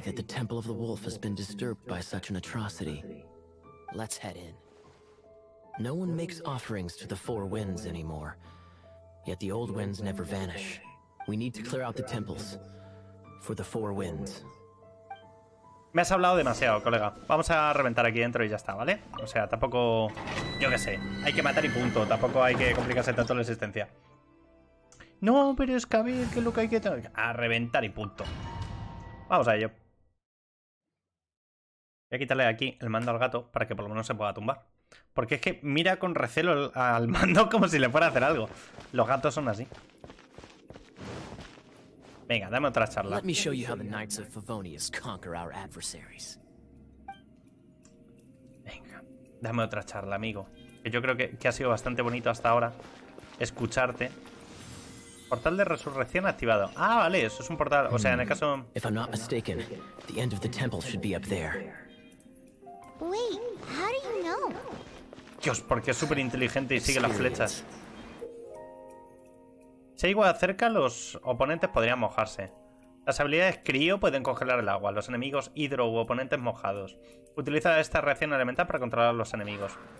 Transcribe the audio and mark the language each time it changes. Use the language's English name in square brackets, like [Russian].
[English] It's a pity that the Temple of the Wolf has been disturbed by such an atrocity. Let's head in. No one makes offerings to the four winds anymore. Yet the old winds never vanish. We need to clear out the temples for the four winds. [Spanish] Me has hablado demasiado, colega. Vamos a reventar aquí dentro y ya está, ¿vale? O sea, tampoco... Yo qué sé. Hay que matar y punto. Tampoco hay que complicarse tanto la existencia. No, pero es que a ver qué es lo que hay que... A reventar y punto. Vamos a ello. Voy a quitarle aquí el mando al gato para que por lo menos se pueda tumbar. Porque es que mira con recelo al mando como si le fuera a hacer algo. Los gatos son así. Venga, dame otra charla. [English] Let me show you how the Knights of Favonius conquer our adversaries. [Spanish] Venga, dame otra charla, amigo. Yo creo que ha sido bastante bonito hasta ahora escucharte. Portal de resurrección activado. Ah, vale, eso es un portal. O sea, en el caso. [English] If I'm not mistaken, the end of the temple should be up there. Wait, how do you know? [Spanish] Dios, porque es súper inteligente y sigue las flechas. Si hay agua cerca, los oponentes podrían mojarse. Las habilidades crío pueden congelar el agua. Los enemigos hidro u oponentes mojados. Utiliza esta reacción elemental para controlar a los enemigos.